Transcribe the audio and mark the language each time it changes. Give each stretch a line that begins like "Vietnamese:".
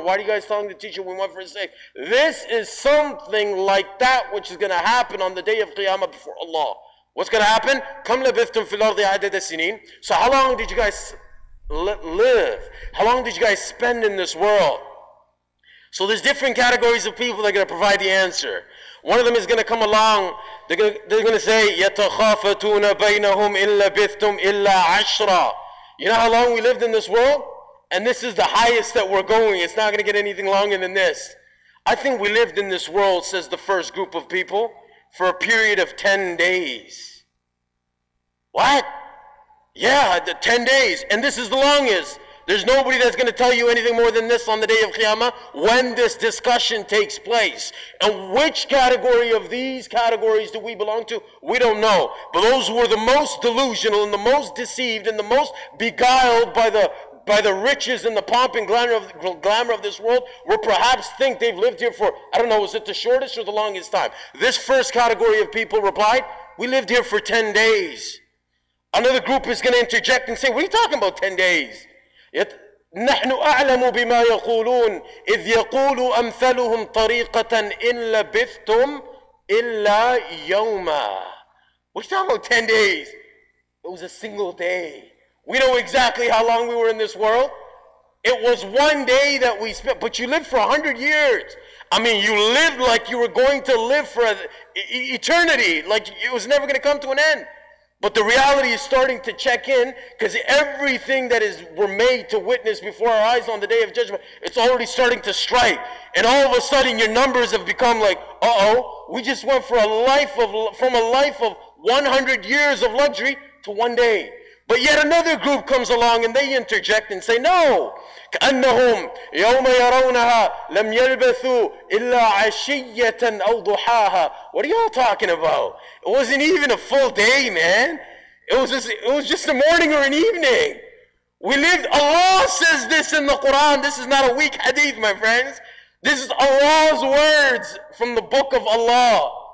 English: Why are you guys telling the teacher we went for six? This is something like that which is going to happen on the day of Qiyamah before Allah. What's going to happen?
Arabic: كَمْ لَبِثْتُمْ فِي الْأَرْضِ عَدَدَ السِّنِينَ.
English: So how long did you guys live? How long did you guys spend in this world? So there's different categories of people that are going to provide the answer. One of them is going to come along. They're going to say,
Arabic: يَتَخَافَتُونَ بَيْنَهُمْ إِن لَبِثْتُمْ إِلَّا عَشْرًا.
English: You know how long we lived in this world? And this is the highest that we're going. It's not going to get anything longer than this. I think we lived in this world, says the first group of people, for a period of 10 days. What? Yeah, the 10 days. And this is the longest. There's nobody that's going to tell you anything more than this on the day of Qiyamah when this discussion takes place. And which category of these categories do we belong to? We don't know. But those who were the most delusional and the most deceived and the most beguiled by the by the riches and the pomp and glamour of this world, will perhaps think they've lived here for, I don't know, is it the shortest or the longest time? This first category of people replied, we lived here for 10 days. Another group is going to interject and say, what are you talking about 10 days? Yet,
Arabic: نحن أعلم بما يقولون إذ يقول أمثلهم طريقة إن لبثتم إلا يوما.
English: What are you talking about 10 days? It was a single day. We know exactly how long we were in this world. It was one day that we spent, but you lived for 100 years. I mean, you lived like you were going to live for eternity, like it was never going to come to an end. But the reality is starting to check in, because everything that is we're made to witness before our eyes on the day of judgment, it's already starting to strike. And all of a sudden, your numbers have become like, uh-oh, we just went from a life of 100 years of luxury to one day. But yet another group comes along and they interject and say, no.
Arabic: كأنهم يوم يرونها لم يلبثوا إلا عشية أو ضحاها.
English: What are y'all talking about? It wasn't even a full day, man. It was just a morning or an evening. We lived, Allah says this in the Quran. This is not a weak hadith, my friends. This is Allah's words from the book of Allah.